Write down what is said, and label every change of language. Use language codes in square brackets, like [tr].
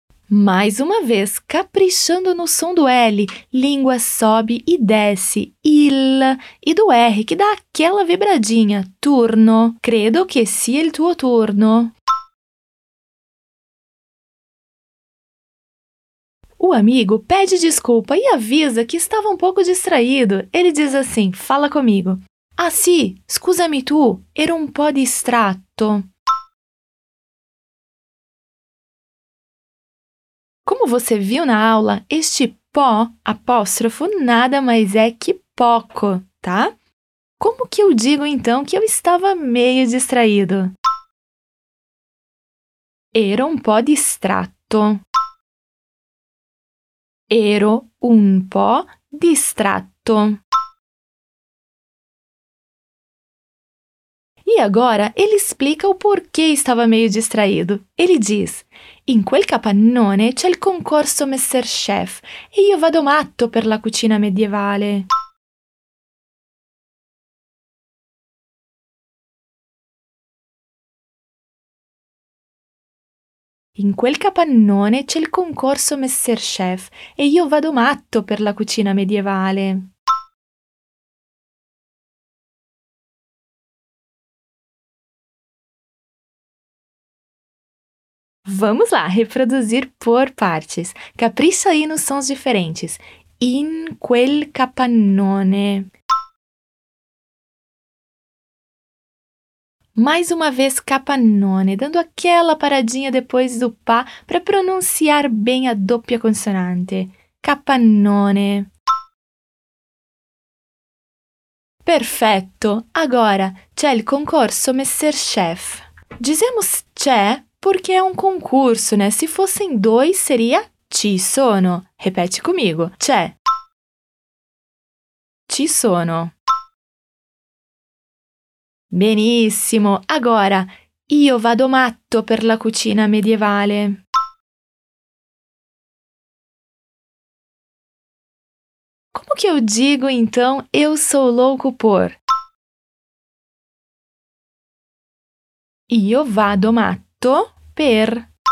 [pt] Mais uma vez, caprichando no som do L, língua sobe e desce, il, e do R, que dá aquela vibradinha, turno. [it] Credo que sia il tuo turno. [pt] O amigo pede desculpa e avisa que estava um pouco distraído. Ele diz assim, fala comigo. [it] Ah, sì, scusami tu, ero un po' distratto. [pt] Como você viu na aula, este pó, apóstrofo, nada mais é que poco, tá? Como que eu digo, então, que eu estava meio distraído? [it] Ero un po' distratto. Ero un po' distratto. [pt] E agora, ele explica o porquê estava meio distraído. Ele diz, [it] in quel capannone c'è il concorso Messer Chef e io vado matto per la cucina medievale. In quel capannone c'è il concorso Messer Chef e io vado matto per la cucina medievale. [pt] Vamos lá, reproduzir por partes. Capricha aí nos sons diferentes. [it] In quel capannone. [pt] Mais uma vez capannone, dando aquela paradinha depois do pa para pronunciar bem a [it] doppia consonante. Capannone. Perfetto! [pt] Agora, [it] c'è il concorso Messer Chef. [pt] Dizemos c'è porque é um concurso, né? Se fossem dois, seria [it] ci sono. [pt] Repete comigo. C'è. [it] Ci sono. Benissimo! [pt] Agora, [it] io vado matto per la cucina medievale. [pt] Como que eu digo, então, eu sou louco por? [it] Io vado matto per.